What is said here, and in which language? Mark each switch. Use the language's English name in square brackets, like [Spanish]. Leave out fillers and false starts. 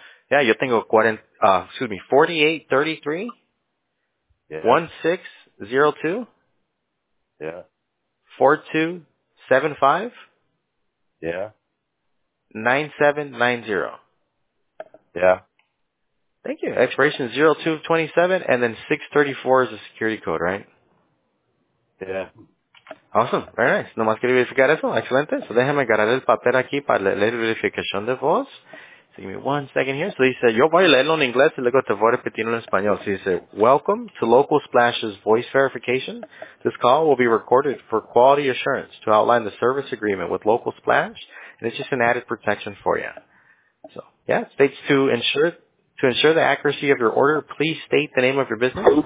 [Spanish] Yeah, yo tengo 4833-1602-4275-9790. [English] Yeah. Thank you. Expiration 0227 and then 634 is the security code, right? Yeah. Awesome, very nice. [Spanish] Nomás quería verificar eso, excelente. So déjame agarrar el papel aquí para leer la verificación de voz. [English] So give me one second here. [Spanish] So dice, yo voy a leerlo en inglés y luego te voy a repetir en español. [English] So dice, welcome to Local Splash's voice verification. This call will be recorded for quality assurance to outline the service agreement with Local Splash, and it's just an added protection for you. So, yeah, states to ensure the accuracy of your order, please state the name of your business.